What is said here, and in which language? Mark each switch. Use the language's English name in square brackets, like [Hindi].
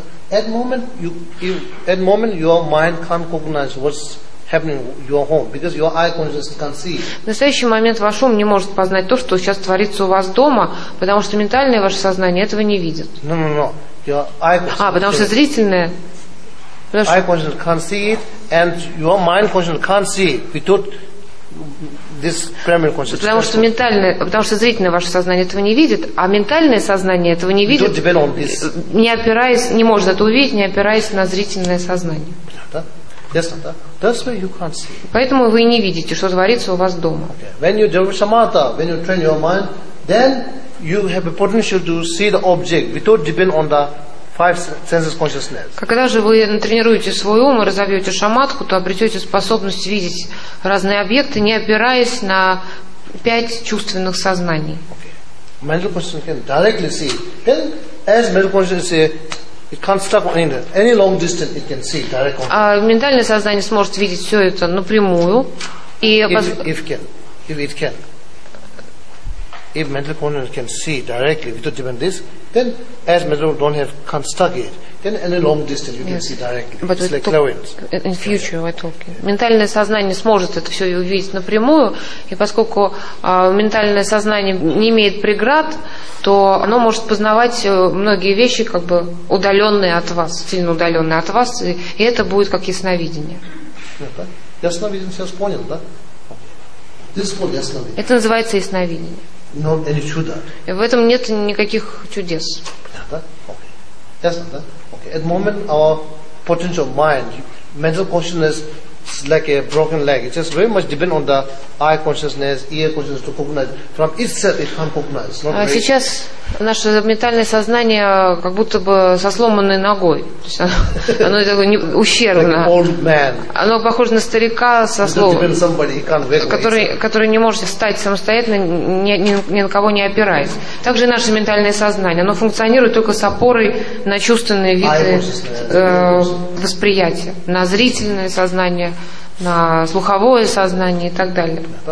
[Russian] В настоящий момент ваш ум не может познать то, что сейчас творится у вас дома, потому что ментальное ваше сознание этого не видит. [English] No. Your eye consciousness. [Russian] Потому что зрительное. [English] Eye consciousness can't see it, and your mind consciousness can't see it. Without this primary consciousness. [Russian] Потому что ментальное, потому что зрительное ваше сознание этого не видит, а ментальное сознание этого не видит, не опираясь, не может это увидеть, не опираясь на зрительное сознание. [English] That's why you can't see. [Russian] Поэтому вы не видите, что творится у вас дома. [English] Okay. When you develop samatha, when you train your mind, then you have a potential to see the object without depend on the five senses consciousness. [Russian] Когда же вы натренируете свой ум и разовьете шаматху, то обретете способность видеть разные объекты, не опираясь на пять чувственных сознаний. [English] Okay. Mental consciousness can directly see. Then, as mental consciousness see, it can't stop anywhere. Any long distance it can see directly. [Russian] А ментальное сознание сможет видеть все это напрямую. [English] If it can. If mental consciousness can see directly without depend this, then as mental don't have construct it, then any long distance you can see directly. But it's like clairvoyance. In future, we're talking. [Russian] Ментальное сознание сможет это все увидеть напрямую, и поскольку ментальное сознание не имеет преград, то оно может познавать многие вещи, как бы удаленные от вас, сильно удаленные от вас, и это будет как ясновидение. Ясновидение сейчас понял, да? [English] This one ясновидение. [Russian] Это называется ясновидение. [English] Not any чудо. [Russian] В этом нет никаких чудес. [English] Okay. At moment our potential mind, mental consciousness is like a broken leg. It just very much depend on the eye consciousness, ear consciousness to cognize. From itself it can't cognize. [Russian] Сейчас Наше ментальное сознание как будто бы со сломанной ногой. То есть оно такое ущербно. Оно похоже на старика со сломанным, который не может встать самостоятельно, ни на кого не опираясь. Также и наше ментальное сознание. Оно функционирует только с опорой на чувственные виды восприятия, на зрительное сознание, на слуховое сознание и так далее.